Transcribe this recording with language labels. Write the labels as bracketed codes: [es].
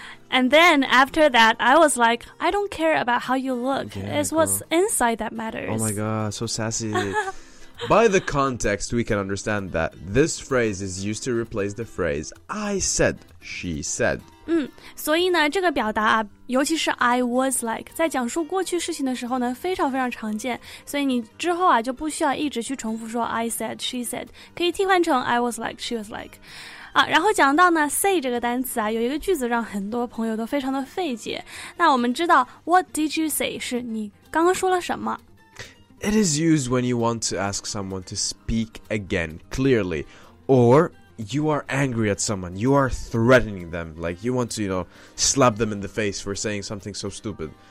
[en] And then, after that, I was like, I don't care about how you look. Yeah, it's what's inside that matters. Oh my god, so sassy. By the context, we can understand that this phrase is used to replace the phrase, I said, she said. [zh] 所以呢，这个表达啊，尤其是 [en] I was like, [zh] 在讲述过去事情的时候呢，非常非常常见。所以你之后啊，就不需要一直去重复说 [en] I said, she said, [zh] 可以替换成 [en] I was like, she was like. [zh] 啊，然后讲到呢 ，say 这个单词啊，有一个句子让很多朋友都非常的费解。那我们知道 [en] ，What did you say？ [zh] 是你刚刚说了什么 [en] ？It is used when you want to ask someone to speak again clearly, or you are angry at someone. You are threatening them, like you want to, you know, slap them in the face for saying something so stupid.